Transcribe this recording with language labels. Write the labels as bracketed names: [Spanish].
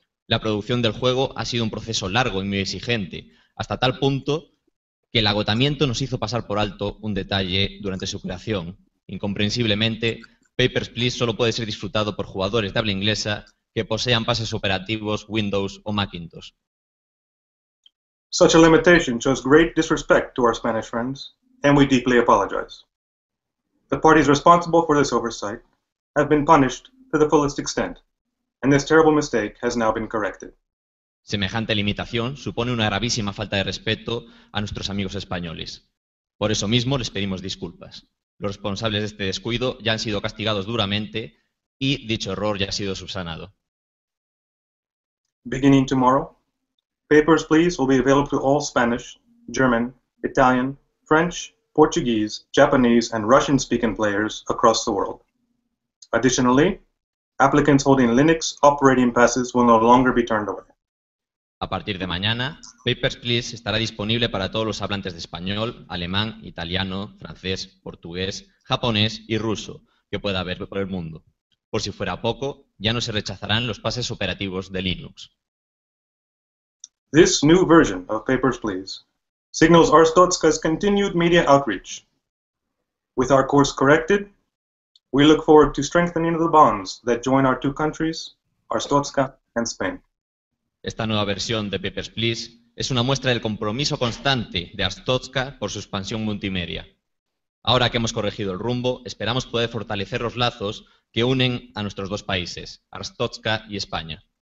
[Spanish] La producción del juego ha sido un proceso largo y muy exigente, hasta tal punto que el agotamiento nos hizo pasar por alto un detalle durante su creación. Incomprensiblemente, Papers, Please solo puede ser disfrutado por jugadores de habla inglesa que posean pases operativos Windows o Macintosh. [English] Such a limitation shows great disrespect to our Spanish friends, and we deeply apologize. The parties responsible for this oversight have been punished to the fullest extent, and this terrible mistake has now been corrected. [Spanish] Semejante limitación supone una gravísima falta de respeto a nuestros amigos españoles. Por eso mismo les pedimos disculpas. Los responsables de este descuido ya han sido castigados duramente y dicho error ya ha sido subsanado. [English] Beginning tomorrow, Papers, Please will be available to all Spanish, German, Italian, French, Portuguese, Japanese, and Russian-speaking players across the world. Additionally, applicants holding Linux operating passes will no longer be turned away. [Spanish] A partir de mañana, Papers, Please estará disponible para todos los hablantes de español, alemán, italiano, francés, portugués, japonés y ruso que pueda haber por el mundo. Por si fuera poco, ya no se rechazarán los pases operativos de Linux. [English] This new version of Papers, Please signals Arztotska's continued media outreach. With our course corrected, we look forward to strengthening the bonds that join our two countries, Arztotska and Spain. [Spanish] Esta nueva versión de Papers, Please es una muestra del compromiso constante de Arztotska por su expansión multimedia. Ahora que hemos corregido el rumbo, esperamos poder fortalecer los lazos que unen a nuestros dos países, Arztotska y España.